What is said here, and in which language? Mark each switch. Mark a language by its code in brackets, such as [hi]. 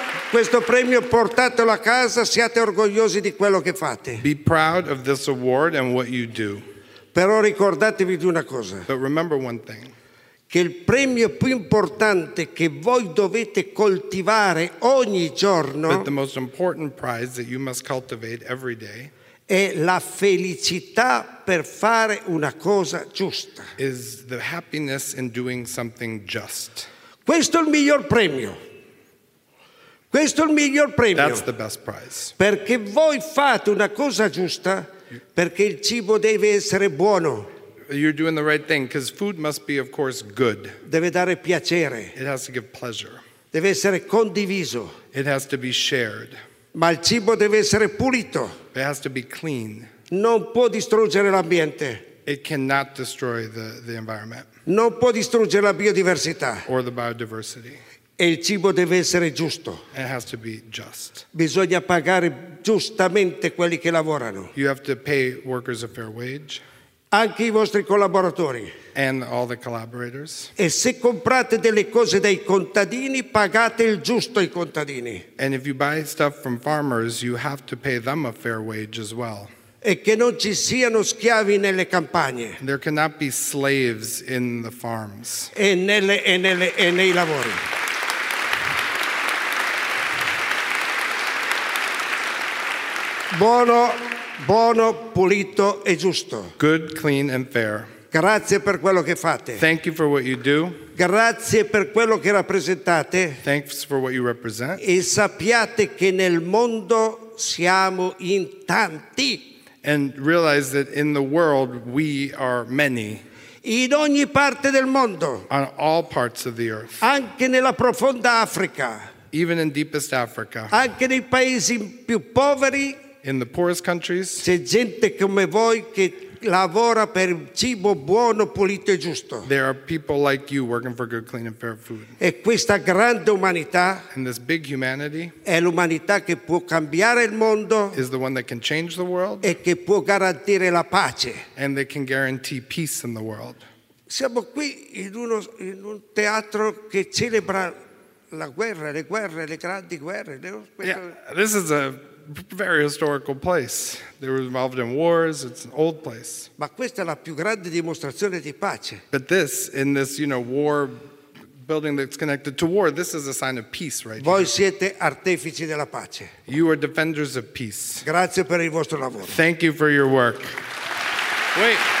[it] Questo premio portatelo a casa, siate orgogliosi di quello che fate. [en] Be proud of this award and what you do. [it] Però ricordatevi di una cosa. [en] But remember one thing. [it] Che il premio più importante che voi dovete coltivare ogni giorno. [en] But the most important prize that you must cultivate every day. [it] È la felicità per fare una cosa giusta. [en] Is the happiness in doing something just. [it] Questo è il miglior premio. Questo è il miglior premio. [en] That's the best prize. [it] Perché voi fate una cosa giusta. Perché il cibo deve essere buono. [en] You're doing the right thing because food must be, of course, good. [it] Deve dare piacere. [en] It has to give pleasure. [it] Deve essere condiviso. [en] It has to be shared. [it] Ma il cibo deve essere pulito. [en] It has to be clean. [it] Non può distruggere l'ambiente. [en] It cannot destroy the environment. [it] Non può distruggere la biodiversità. [en] Or the biodiversity. [it] E il cibo deve essere giusto. [en] It has to be just. [it] Bisogna pagare giustamente quelli che lavorano. [en] You have to pay workers a fair wage. [it] Anche I vostri collaboratori. [en] And all the collaborators. [it] E se comprate delle cose dai contadini, pagate il giusto ai contadini. [en] And if you buy stuff from farmers, you have to pay them a fair wage as well. [it] E che non ci siano schiavi nelle campagne. [en] There cannot be slaves in the farms. [it] E nei lavori. Buono, buono, pulito e giusto. [en] Good, clean and fair. [it] Grazie per quello che fate. [en] Thank you for what you do. [it] Grazie per quello che rappresentate. [en] Thanks for what you represent. [it] E sappiate che nel mondo siamo in tanti. [en] And realize that in the world we are many. [it] In ogni parte del mondo. [en] On all parts of the earth. [it] Anche nella profonda Africa. [en] Even in deepest Africa. [it] Anche nei paesi più poveri. [en] In the poorest countries, [it] c'è gente come voi che lavora per cibo buono, pulito e giusto. [en] There are people like you working for good, clean, and fair food. [it] E questa grande umanità, [en] and this big humanity, [it] è l'umanità che può cambiare il mondo, [en] is the one that can change the world, [it] e che può garantire la pace, [en] and they can guarantee peace in the world. [it] Siamo qui in un teatro che celebra la guerra, le guerre, le grandi guerre. [en] Yeah, this is a very historical place. They were involved in wars. It's an old place. [it] Ma questa è la più grande dimostrazione di pace. [en] But this, in this, you know, war building that's connected to war, this is a sign of peace, right? [it] Voi [en] here. [it] Siete artefici della pace. [en] You are defenders of peace. [it] Grazie per il vostro lavoro. [en] Thank you for your work. Wait.